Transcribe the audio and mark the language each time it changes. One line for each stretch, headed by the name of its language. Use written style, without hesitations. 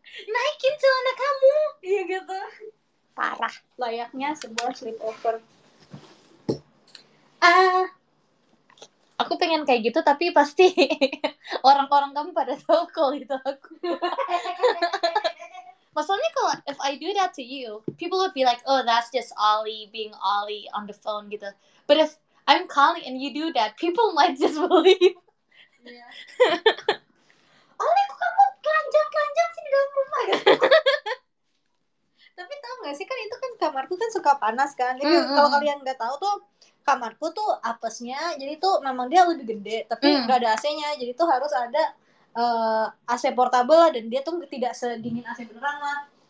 Indonesian: Naikin celana kamu. Iya gitu. Parah. Layaknya sebuah sleepover. Aku pengen kayak gitu tapi pasti orang-orang kamu pada tahu kalau itu aku. Masalahnya kalau
English: if I do that to you, people would be like, oh that's just Ollie being Ollie on the phone gitu. But if I'm calling and you do that, people might just believe. Yeah.
Indonesian: Ollie kok kamu kelanjang-kelanjang sih di dalam rumah gitu. Tapi tahu nggak sih kan itu kan kamarku kan suka panas kan. Jadi kalau kalian nggak tahu tuh kamarku tuh apesnya. Jadi tuh memang dia lebih gede, tapi nggak ada AC-nya. Jadi tuh harus ada AC portable lah dan dia tuh tidak sedingin AC beneran lah.